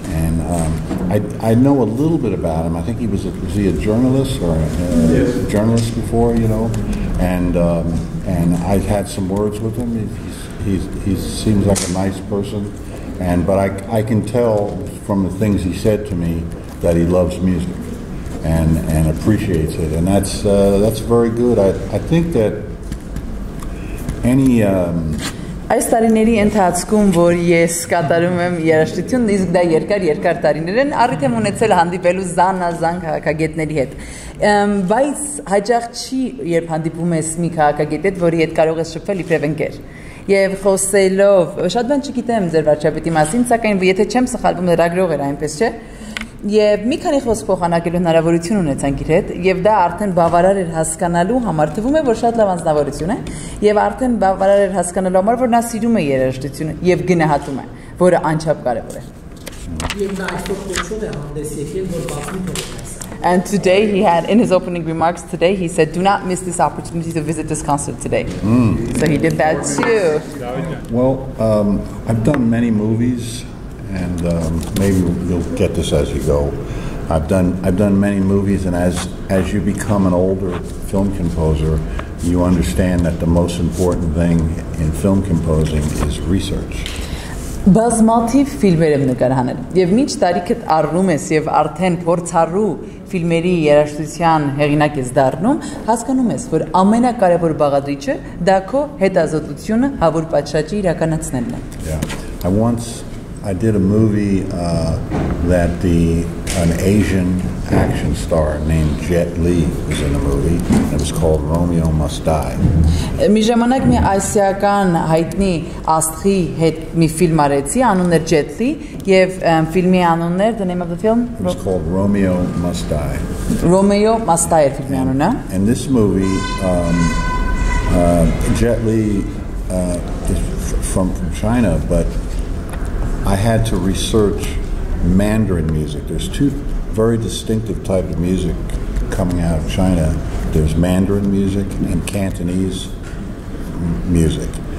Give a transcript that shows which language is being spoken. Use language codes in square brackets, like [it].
[en] And I know a little bit about him. I think he was he a journalist or a journalist before, you know, and I've had some words with him. He seems like a nice person. And but I can tell from the things he said to me that he loves music and appreciates it, and that's very good. I think that any [hy] այս տարիների ընթացքում, որ ես կատարում եմ երաժշտություն, իսկ դա երկար տարիներ են, առիթ եմ ունեցել հանդիպելու զանազան քաղաքագետների հետ. Բայց հաճախ չի, երբ հանդիպում ես մի քաղաքագետ հետ, որի հետ կարող ես շփվել իբրև ընկեր. Եվ խոսելով, շատ բան չգիտեմ ձեր վարչապետի մասին, սակայն եթե չեմ սխալվում, լրագրող էր, այնպես չէ։ Եվ մի քանի խոսք փոխանակելու հնարավորություն ունեցանք իր հետ, եւ դա արդեն բավարար էր հասկանալու համար, թվում է, որ շատ լավ անձնավորություն է, եւ արդեն բավարար էր հասկանալու համար, որ նա սիրում է երաժշտությունը եւ գնահատում է, որը անչափ կարեւոր է։ [en] And today he had in his opening remarks today he said, "Do not miss this opportunity to visit this concert today." Mm. So he did that too. Well, I've done many movies, and maybe you'll get this as you go. I've done many movies, and as you become an older film composer, you understand that the most important thing in film composing is research. [hy] Բազմաթիվ ֆիլմեր եմ նկարահանել եւ մինչ տարիքդ առնում ես եւ արդեն փորձառու ֆիլմերի երաժշտության հեղինակ ես դառնում, հասկանում ես, որ ամենակարևոր բաղադրիչը դա քո հետազոտությունը հավուր պատշաճի իրականացնելն է։ Yeah. [en] I did a movie that an Asian action star named Jet Li was in the movie. It was called Romeo Must Die. [hy] Մի ժամանակ մի ասիական հայտնի աստղի հետ մի ֆիլմ արեցի, անունն էր Jet Li, եւ ֆիլմի անունն էր, [en] the name of the film? It was called Romeo Must Die. [hy] Romeo Must Die ֆիլմի անունը. [en] In this movie Jet Li is from China, but I had to research Mandarin music. There's two very distinctive types of music coming out of China. There's Mandarin music and Cantonese music.